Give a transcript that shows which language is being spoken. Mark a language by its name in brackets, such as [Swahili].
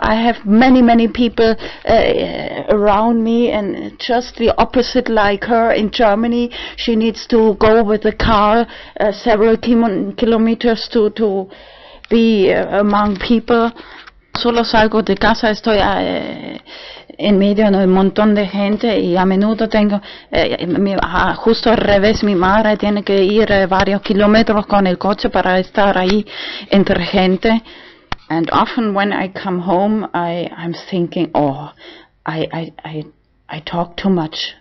[English] I have many, many people around me, and just the opposite like her in Germany. She needs to go with the car several kilometers to be among people. [Spanish] Solo salgo de casa, estoy en medio de un montón de gente y a menudo tengo, justo al revés, mi madre tiene que ir varios kilómetros con el coche para estar ahí entre gente. [English] And often when I come home, I'm thinking, oh, I talk too much.